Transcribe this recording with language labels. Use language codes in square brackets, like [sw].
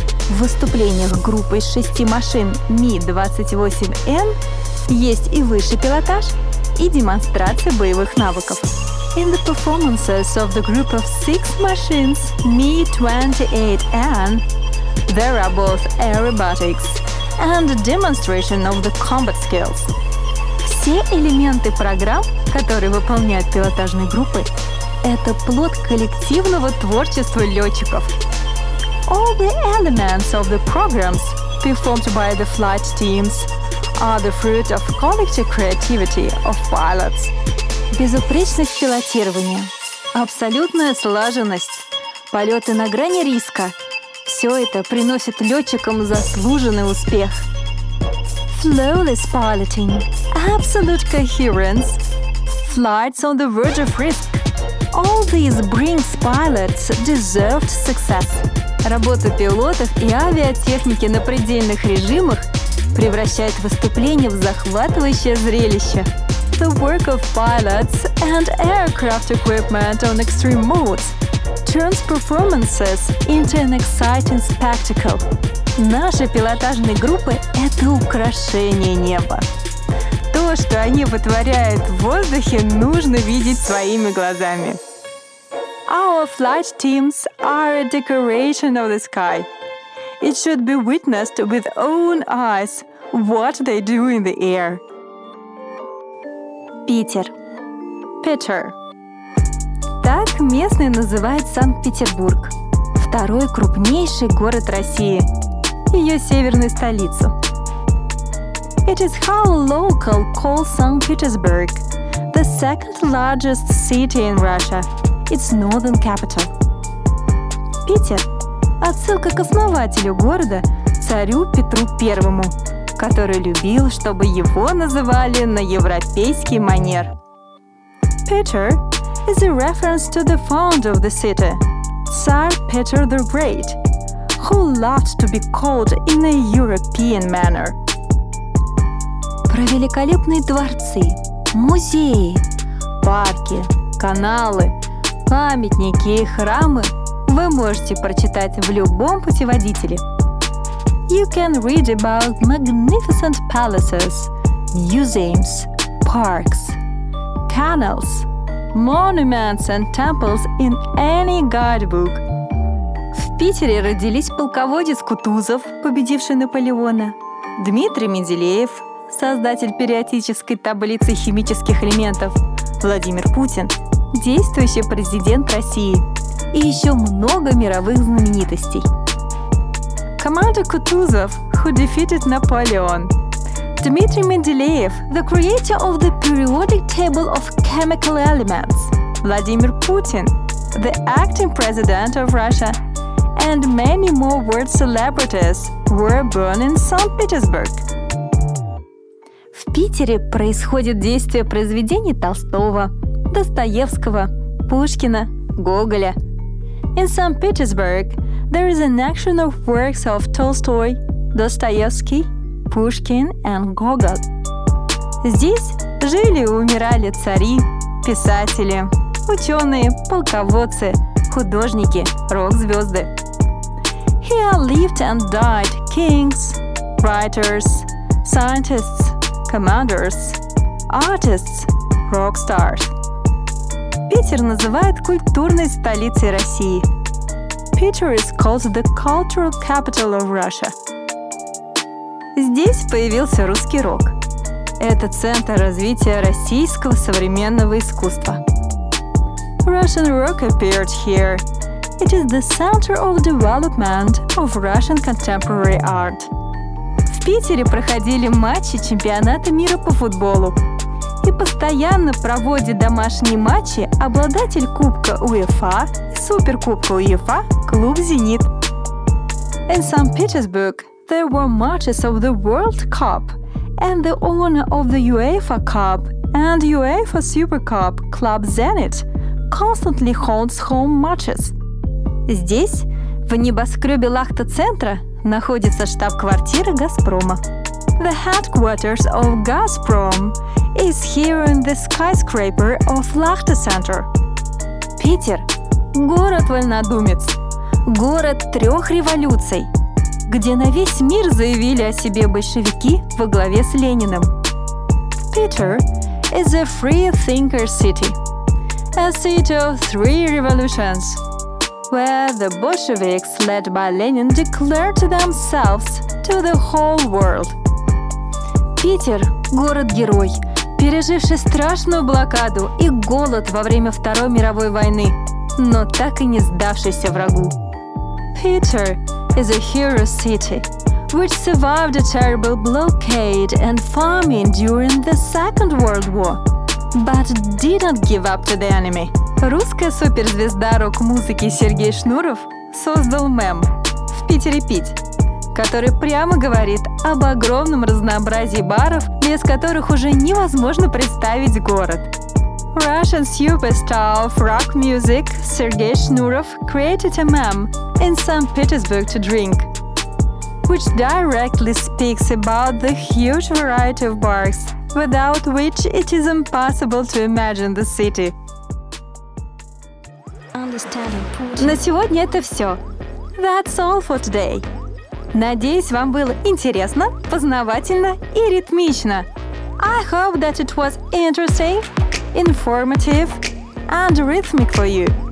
[ru] В выступлениях группы из шести машин Ми-28Н есть и высший пилотаж, и демонстрация боевых навыков. [en] In the performances of the group of six machines Mi-28N, there are both aerobatics and demonstration of the combat skills. [ru] Все элементы программ, которые выполняют пилотажные группы, это плод коллективного творчества летчиков. [en] All the elements of the programs performed by the flight teams are the fruit of collective creativity of pilots. [ru] Безупречность пилотирования, абсолютная слаженность, полеты на грани риска — все это приносит летчикам заслуженный успех. [en] Flawless piloting, absolute coherence, flights on the verge of risk — all these bring pilots deserved success. [ru] Работа пилотов и авиатехники на предельных режимах превращает выступление в захватывающее зрелище. [en] The work of pilots and aircraft equipment on extreme modes turns performances into an exciting spectacle. [ru] Наши пилотажные группы — это украшение неба. То, что они вытворяют в воздухе, нужно видеть своими глазами. [en] Our flight teams are a decoration of the sky. It should be witnessed with own eyes what they do in the air. [ru] Питер. Питер. Так местные называют Санкт-Петербург, второй крупнейший город России, ее северную столицу. [en] It is how local call St. Petersburg, the second largest city in Russia. It's northern capital. [ru] Питер — отсылка к основателю города, царю Петру Первому, который любил, чтобы его называли на европейский манер. [en] Peter is a reference to the founder of the city, Tsar Peter the Great, who loved to be called in a European manner. [ru] Про великолепные дворцы, музеи, парки, каналы, памятники и храмы вы можете прочитать в любом путеводителе. [en] You can read about magnificent palaces, museums, parks, canals, monuments and temples in any guidebook. [ru] В Питере родились полководец Кутузов, победивший Наполеона, Дмитрий Менделеев, создатель периодической таблицы химических элементов, Владимир Путин, действующий президент России, и еще много мировых знаменитостей. [en] Commander Kutuzov, who defeated Napoleon. Dmitry Mendeleev, the creator of the periodic table of chemical elements. Vladimir Putin, the acting president of Russia. And many more world celebrities were born in St. Petersburg. [ru] В Питере происходит действие произведений Толстого, Достоевского, Пушкина, Гоголя. [en] In St. Petersburg, there is an action of works of Tolstoy, Dostoevsky, Pushkin and Gogol. [ru] Здесь жили и умирали цари, писатели, ученые, полководцы, художники, рок-звезды. [en] Here lived and died kings, writers, scientists, commanders, artists, rock stars. [ru] Питер называют культурной столицей России. [en] Peter is called the cultural capital of Russia. [ru] здесь появился русский рок. Это центр развития российского современного искусства. [en] Russian rock appeared here. It is the center of development of Russian contemporary art. [ru] В Питере проходили матчи чемпионата мира по футболу. И постоянно проводит домашние матчи обладатель Кубка УЕФА и Суперкубка УЕФА клуб «Зенит». [en] In St. Petersburg, there were matches of the World Cup and the owner of the UEFA Cup and UEFA Super Cup club «Зенит» constantly holds home matches. [ru] Здесь, в небоскребе Лахта-центра, находится штаб-квартира «Газпрома». [en] The headquarters of «Газпром» is here in the skyscraper of Lakhta Center. [ru] Питер – город вольнодумец, город трех революций, где на весь мир заявили о себе большевики во главе с Лениным. [en] Peter is a free thinker city, a city of three revolutions, where the Bolsheviks led by Lenin declared themselves to the whole world. [ru] Питер – город-герой, переживший страшную блокаду и голод во время Второй мировой войны, но так и не сдавшийся врагу. [en] Peter is a hero city, which survived a terrible blockade and famine during the Second World War, but didn't give up to the enemy. [ru] Русская суперзвезда рок-музыки Сергей Шнуров создал мем «В Питере пить», который прямо говорит об огромном разнообразии баров, без которых уже невозможно представить город. [en] Russian superstar of rock music Sergei Shnurov created a meme in St. Petersburg to drink, which directly speaks about the huge variety of bars, without which it is impossible to imagine the city. [ru] На сегодня это все. [en] That's all for today. [ru] Надеюсь, вам было интересно, познавательно и ритмично. [en] I hope that it was interesting, informative and rhythmic for you.